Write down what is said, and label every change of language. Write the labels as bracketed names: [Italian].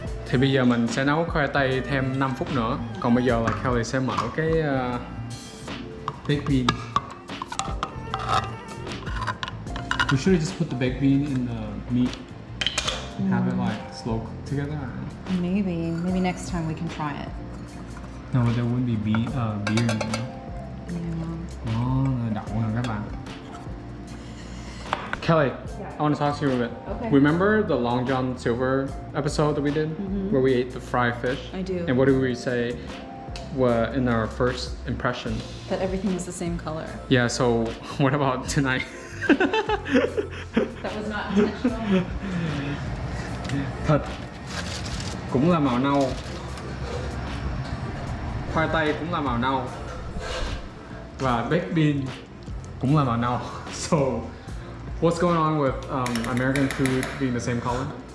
[Vietnamese] Thì bây giờ mình sẽ nấu khoai tây thêm 5 phút nữa. Còn bây giờ là Kelly sẽ mở cái baked bean. [English] We should have just put the baked bean in the meat and have it like slow together. Maybe, maybe next time we can try it. No, but there wouldn't be beer in there. Yeah. [Vietnamese] Oh, đậu nè các bạn. [English] Kelly, yeah. I want to talk to you a bit. Okay. Remember the Long John Silver episode that we did, mm-hmm. where we ate the fried fish? I do. And what did we say were in our first impression? That everything was the same color. Yeah, so what about tonight? That was not intentional. [Vietnamese] Thật, cũng là màu nâu. Khoai tây cũng là màu nâu. Và baked bean cũng là màu nâu. [English] So, what's going on with American food being the same color?